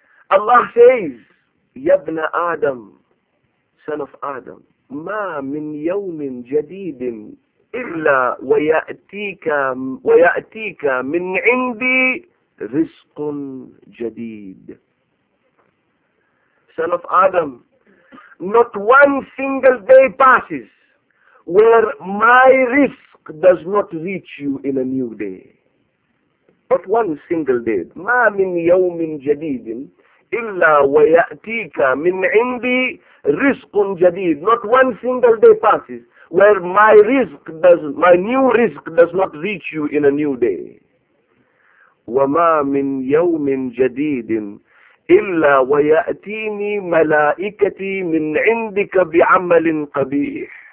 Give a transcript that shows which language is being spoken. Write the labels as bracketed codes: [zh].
[ar] Allah says, Yabna Adam, [en] son of Adam, [ar] ma min yawmin jadeedin illa wa ya'tika min indi رزق جديد. [en] Son of Adam, not one single day passes where my rizq does not reach you in a new day. Not one single day. [ar] ما من يوم جديد إلا ويأتيك من عندي رزق جديد. [en] Not one single day passes where my new rizq does not reach you in a new day. [ar] وَمَا مِنْ يَوْمٍ جَدِيدٍ إِلَّا وَيَأْتِينِ مَلَائِكَتِي مِنْ عِنْدِكَ بِعَمَلٍ قَبِيحٍ.